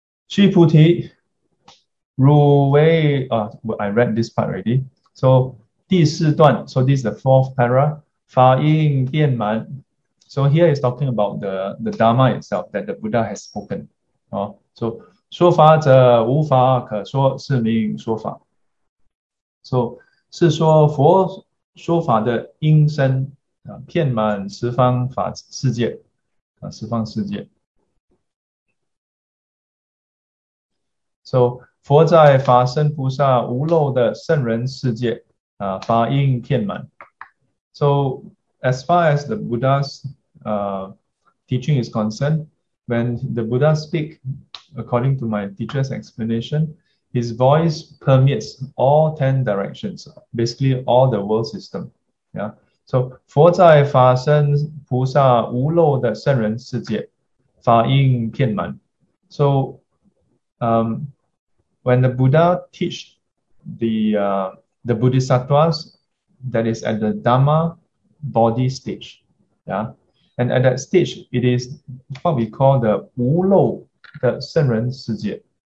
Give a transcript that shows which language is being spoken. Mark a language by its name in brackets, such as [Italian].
[Chinese] 须菩提，汝为啊， [English] I read this part already. So [Chinese] 第四段， [English] so this is the fourth para. 法印遍满， so here is talking about the Dharma itself that the Buddha has spoken. So [Chinese] 说法者无法可说，是名说法。 [English] So [Chinese] 是说佛说法的音声啊，遍满十方法世界啊，十方世界。 [English] So [Chinese] 佛在法身菩萨无漏的圣人世界啊，法音遍满。 [English] So as far as the Buddha's teaching is concerned, when the Buddha speak, according to my teacher's explanation, his voice permeates all 10 directions, basically all the world system. Yeah. So [Chinese] 佛在法身菩萨无漏的圣人世界，法音遍满。 [English] So, when the Buddha teach the Bodhisattvas, that is at the Dhamma body stage, yeah, and at that stage it is what we call the [Chinese] 无漏的圣人世界.